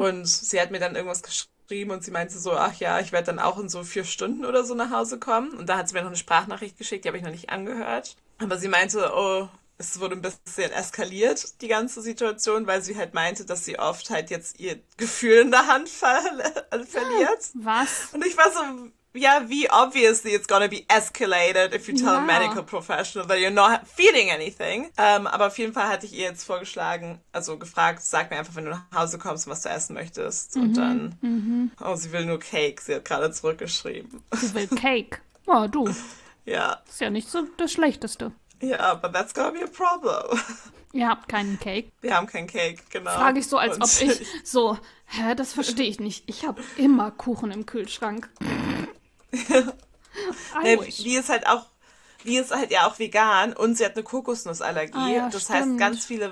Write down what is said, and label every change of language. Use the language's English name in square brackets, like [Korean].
[German] Und sie hat mir dann irgendwas geschrieben. Und sie meinte so, ach ja, ich werde dann auch in so 4 Stunden oder so nach Hause kommen. Und da hat sie mir noch eine Sprachnachricht geschickt, die habe ich noch nicht angehört. Aber sie meinte, oh, es wurde ein bisschen eskaliert, die ganze Situation, weil sie halt meinte, dass sie oft halt jetzt ihr Gefühl in der Hand verliert. Was? Und ich war so, ja, wie [English] obviously it's gonna be escalated if you tell a medical professional that you're not feeling anything. [German] Aber auf jeden Fall hatte ich ihr jetzt vorgeschlagen, also gefragt, sag mir einfach, wenn du nach Hause kommst, was du essen möchtest. Und dann, oh, sie will nur Cake, sie hat gerade zurückgeschrieben. Sie will Cake? Oh, du. Ja. Ist ja nicht so das Schlechteste. [English] Ja, yeah, but that's gonna be a problem. [German] Ihr habt keinen Cake. Wir haben keinen Cake, genau. Frage ich so, als ob ich so, hä, das verstehe ich nicht. Ich habe immer Kuchen im Kühlschrank. Ja. Wie ist halt auch vegan und sie hat eine Kokosnussallergie. Ah, ja, das stimmt. Heißt, ganz viele